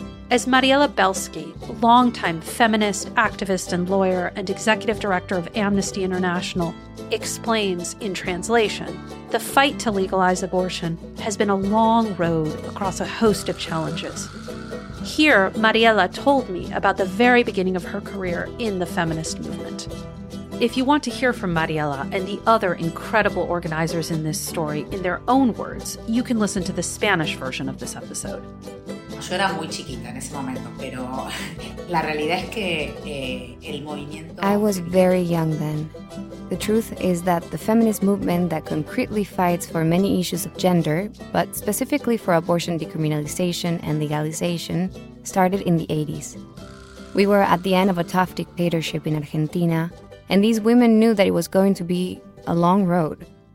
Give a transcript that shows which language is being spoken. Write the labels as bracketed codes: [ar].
[en] As Mariela Belsky, longtime feminist, activist, and lawyer, and executive director of Amnesty International, explains in translation, the fight to legalize abortion has been a long road across a host of challenges. Here, Mariela told me about the very beginning of her career in the feminist movement. If you want to hear from Mariela and the other incredible organizers in this story in their own words, you can listen to the Spanish version of this episode. [es] Yo era muy chiquita en ese momento, pero la realidad es que el movimiento... [en] I was very young then. The truth is that the feminist movement that concretely fights for many issues of gender, but specifically for abortion decriminalization and legalization, started in the 80s. We were at the end of a tough dictatorship in Argentina, and these women knew that it was going to be a long road.